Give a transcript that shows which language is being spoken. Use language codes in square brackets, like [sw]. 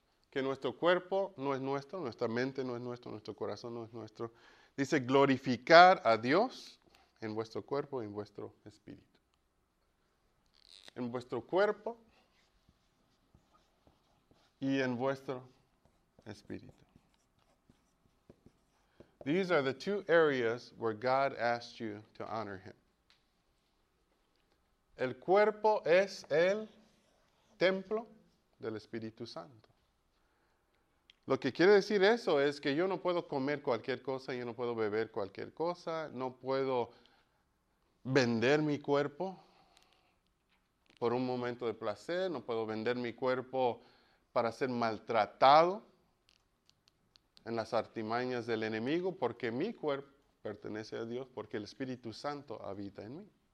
[es] Que nuestro cuerpo no es nuestro, nuestra mente no es nuestro, nuestro corazón no es nuestro. Dice glorificar a Dios en vuestro cuerpo y en vuestro espíritu. En vuestro cuerpo y en vuestro espíritu. [en] These are the two areas where God asked you to honor Him. [es] El cuerpo es el templo del Espíritu Santo. Lo que quiere decir eso es que yo no puedo comer cualquier cosa, yo no puedo beber cualquier cosa, no puedo vender mi cuerpo por un momento de placer, no puedo vender mi cuerpo para ser maltratado en las artimañas del enemigo, porque mi cuerpo pertenece a Dios, porque el Espíritu Santo habita en mí.